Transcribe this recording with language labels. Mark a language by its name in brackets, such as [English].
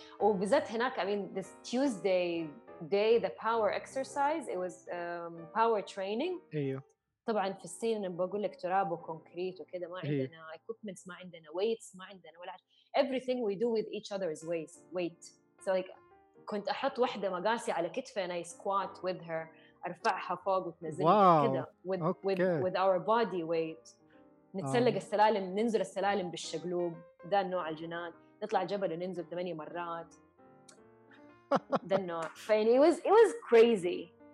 [English] Oh, [Arabic] بزات هناك, [English] I mean, this Tuesday day, the power exercise, it was power training. [Arabic] أيوه. طبعاً في الصين أنا بقول لك تراب وكونكريت وكذا ما عندنا equipment, ما عندنا weights, ما عندنا ولا حاجة. [English] Everything we do with each other is weight. So like, [Arabic] كنت أحط واحدة مقاسي على كتفي [English] and I squat with her, [Arabic] أرفعها فوق وتنزل [English] wow. [Arabic] كذا [English] with our body weight. [Arabic] نتسلق السلالم ننزل السلالم بالشقلوب ده النوع الجنان نطلع جبل وننزل 8 مرات ده النوع فيعني [English] it was crazy